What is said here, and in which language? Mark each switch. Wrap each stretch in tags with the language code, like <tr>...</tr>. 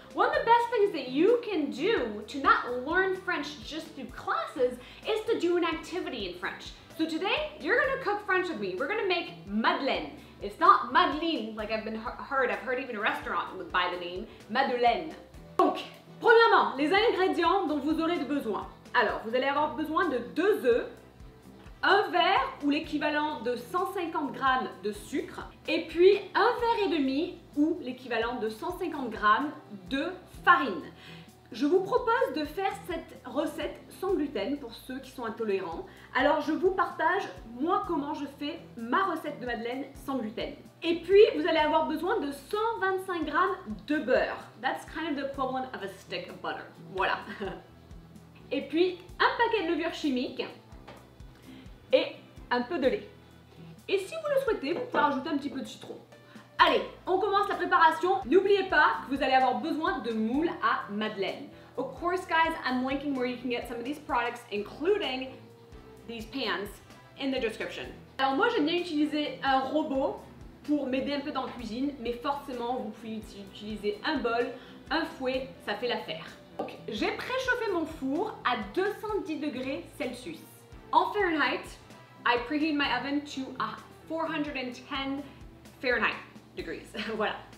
<en>One of the best things that you can do to not learn French just through classes is to do an activity in French. So today, you're gonna cook French with me. We're gonna make madeleine. It's not madeleine, like I've been heard. I've heard even a restaurant would buy the name madeleine.</en> <fr>Donc, premièrement, les ingrédients dont vous aurez besoin. Alors, vous allez avoir besoin de deux œufs, un verre ou l'équivalent de 150 g de sucre, et puis un verre et demi ou l'équivalent de 150 g de farine. Je vous propose de faire cette recette sans gluten pour ceux qui sont intolérants. Alors je vous partage moi comment je fais ma recette de madeleine sans gluten. Et puis vous allez avoir besoin de 125 g de beurre.</fr> <en>That's kind of the equivalent of a stick of butter.</en> <fr>Voilà. Et puis un paquet de levure chimique et un peu de lait. Et si vous le souhaitez, vous pouvez rajouter un petit peu de citron. Allez, on commence la préparation. N'oubliez pas que vous allez avoir besoin de moules à madeleine.</fr> <en>Of course, guys, I'm linking where you can get some of these products, including these pans, in the description.</en> <fr>Alors moi, j'aime bien utiliser un robot pour m'aider un peu dans la cuisine, mais forcément, vous pouvez utiliser un bol, un fouet, ça fait l'affaire. Donc, j'ai préchauffé mon four à 210 degrés Celsius. En Fahrenheit,</fr> <en>I preheat my oven to 410 Fahrenheit degrees.</en> <fr>Voilà.</fr>